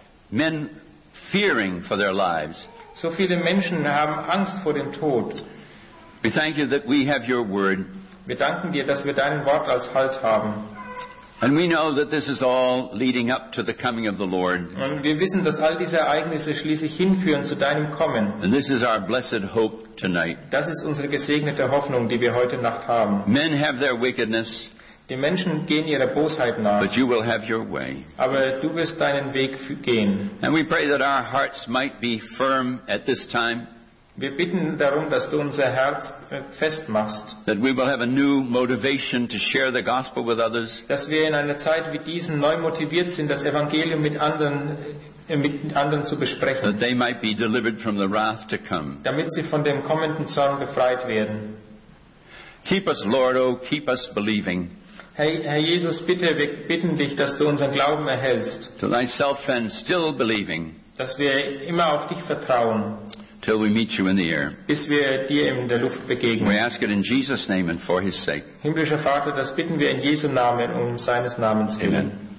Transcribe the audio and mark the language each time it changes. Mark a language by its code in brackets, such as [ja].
[en] Men fearing for their lives. [de] So viele Menschen haben Angst vor dem Tod. [en] We thank you that we have your word. [de] Wir danken dir, dass wir dein Wort als Halt haben. [en] And we know that this is all leading up to the coming of the Lord. [de] Und wir wissen, dass all diese Ereignisse schließlich hinführen zu deinem Kommen. [en] And this is our blessed hope tonight. [de] Das ist unsere gesegnete Hoffnung, die wir heute Nacht haben. [en] Men have their wickedness. [de] Die Menschen gehen ihrer Bosheit nach. [en] But you will have your way. [de] Aber du wirst deinen Weg gehen. [en] And we pray that our hearts might be firm at this time. [de] Wir bitten darum, dass du unser Herz festmachst. [en] That we will have a new motivation to share the gospel with others. [de] Dass wir in einer Zeit wie diesen neu motiviert sind, das Evangelium mit anderen zu besprechen. [en] That they might be delivered from the wrath to come. [de] Damit sie von dem kommenden Zorn befreit werden. [en] Keep us, Lord, oh, keep us believing. [de] Herr Jesus, bitte, wir bitten dich, dass du unseren Glauben erhältst. [en] To thyself and still believing. [de] Dass wir immer auf dich vertrauen. [en] Till we meet you in the air. [de] Bis wir dir in der Luft begegnen. [en] We ask it in Jesus' name and for his sake. [de] Himmlischer Vater, das bitten wir in Jesu Namen um seines Namens willen.